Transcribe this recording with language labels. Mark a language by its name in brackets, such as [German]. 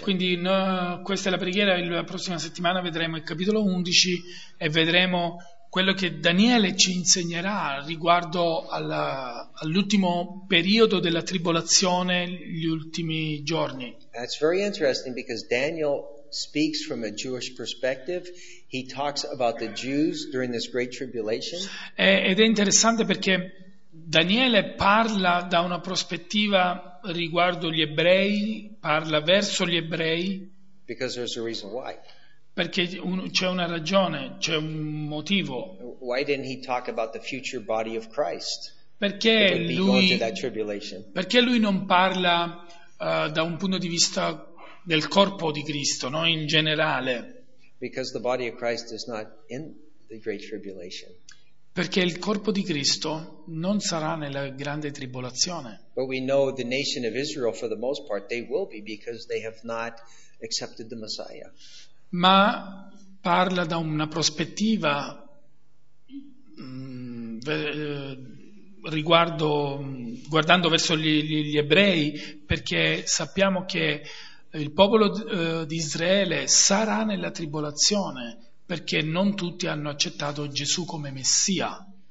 [Italian] E quindi questa è la preghiera. La prossima settimana vedremo il capitolo 11 e vedremo quello che Daniele ci insegnerà riguardo all'ultimo periodo della tribolazione, gli ultimi giorni. [English] That's very interesting because Daniel speaks from a Jewish perspective. He talks about the Jews during this great tribulation. [Italian] Ed è interessante perché Daniele parla da una prospettiva riguardo gli ebrei, parla verso gli ebrei. [English] Because there's a reason why. [Italian] Perché c'è una ragione, c'è un motivo. [English] Why didn't he talk about the future body of Christ? [Italian] Perché lui non parla da un punto di vista del corpo di Cristo, no, in generale? [English] Because the body of Christ is not in the great tribulation. [Italian] Perché il corpo di Cristo non sarà nella grande tribolazione. [English] But we know the nation of Israel for the most part they will be because they have not accepted the Messiah. [Italian] Ma parla da una prospettiva guardando verso gli ebrei, perché sappiamo che il popolo di Israele sarà nella tribolazione perché non tutti hanno accettato Gesù come Messia.